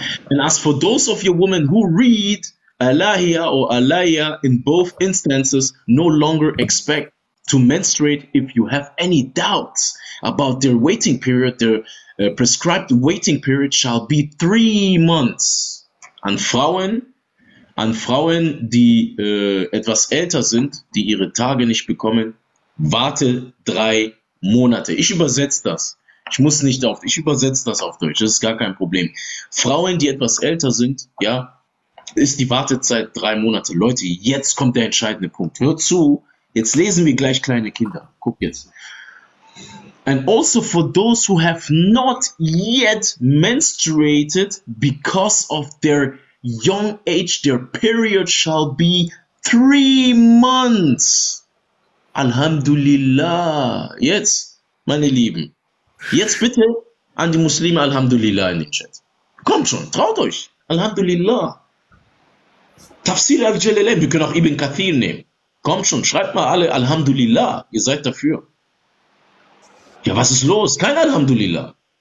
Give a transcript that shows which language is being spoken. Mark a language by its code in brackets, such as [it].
[en] And as for those of your women who read Alahia or Alaya in both instances, no longer expect to menstruate if you have any doubts about their waiting period. Their prescribed waiting period shall be 3 months. [de] An Frauen, die etwas älter sind, die ihre Tage nicht bekommen, warte 3 Monate. Ich übersetze das. Ich übersetze das auf Deutsch. Das ist gar kein Problem. Frauen, die etwas älter sind, ja, ist die Wartezeit 3 Monate. Leute, jetzt kommt der entscheidende Punkt. Hört zu. Jetzt lesen wir gleich kleine Kinder. Guck jetzt. [en] And also for those who have not yet menstruated because of their young age, their period shall be 3 months. [ar] Alhamdulillah. [de] Jetzt, meine Lieben, jetzt bitte an die Muslime Alhamdulillah in den Chat. Kommt schon, traut euch. Alhamdulillah. Tafsir al-Jalalain, wir können auch Ibn Kathir nehmen. Kommt schon, schreibt mal alle Alhamdulillah. Ihr seid dafür. Ja, was ist los? Kein Alhamdulillah.